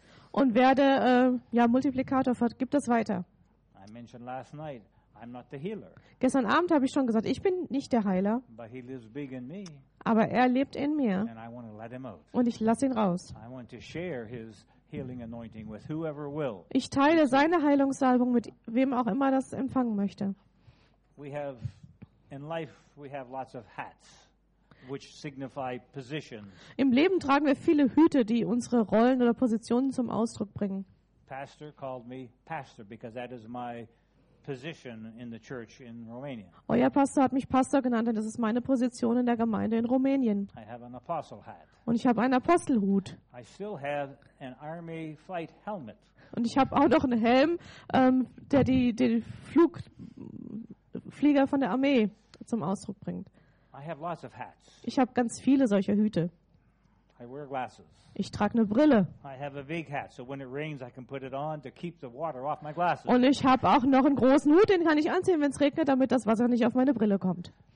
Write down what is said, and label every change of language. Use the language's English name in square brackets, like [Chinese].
[German] Und werde Multiplikator, gib das weiter. [English] Mentioned last night, I'm not the healer. [German] Gestern Abend habe ich schon gesagt, ich bin nicht der Heiler. [English] But he lives big in me, [German] aber er lebt in mir. [English] And I want to let him out. [German] Und ich lasse ihn raus. [English] I want to share his healing anointing with whoever will. [German] Ich teile seine Heilungssalbung mit wem auch immer das empfangen möchte. [English] In life we have lots of hats, which signify positions. [German] Im Leben tragen wir viele Hüte, die unsere Rollen oder Positionen zum Ausdruck bringen. [English] Pastor called me pastor because that is my position in the church in Romania. [German] Euer Pastor hat mich Pastor genannt, denn das ist meine Position in der Gemeinde in Rumänien. [English] I have an apostle hat. [German] Und ich habe einen Apostelhut. [English] I still have an army flight helmet. [German] Und ich habe auch noch einen Helm, der die Flieger von der Armee zum Ausdruck bringt. [English] I have lots of hats. [German] Ich habe ganz viele solcher Hüte. [English] I wear glasses. [German] Ich trage eine Brille. [English] I have a big hat, so when it rains I can put it on to keep the water off my glasses. [German] Und ich habe auch noch einen großen Hut, den kann ich anziehen, wenn es regnet, damit das Wasser nicht auf meine Brille kommt.